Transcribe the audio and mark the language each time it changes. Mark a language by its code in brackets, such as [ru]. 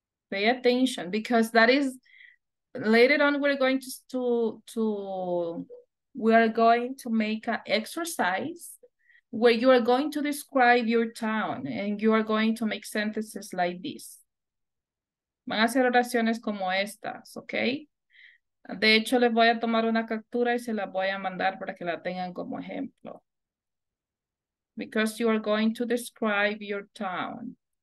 [en] Pay attention, because that is later on we're going to make an exercise where you are going to describe your town and you are going to make sentences like this. [es] Van a hacer oraciones como estas, okay? De hecho, les voy a tomar una captura y se la voy a mandar para que la tengan como ejemplo. [en] Because you are going to describe your town.